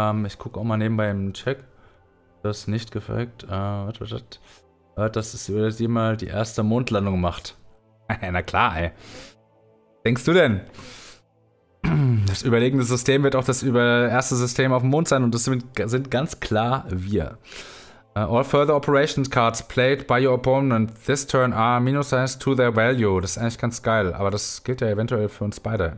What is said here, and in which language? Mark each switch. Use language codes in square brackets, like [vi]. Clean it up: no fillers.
[de] Ich gucke auch mal nebenbei im Check. Das ist nicht gefaked. Dass es jemals mal die erste Mondlandung macht. Na klar, ey. Denkst du denn? Das überlegene System wird auch das erste System auf dem Mond sein und das sind ganz klar wir. [en] All further operations cards played by your opponent this turn are minus 1 to their value. [de] Das ist eigentlich ganz geil, aber das gilt ja eventuell für uns beide.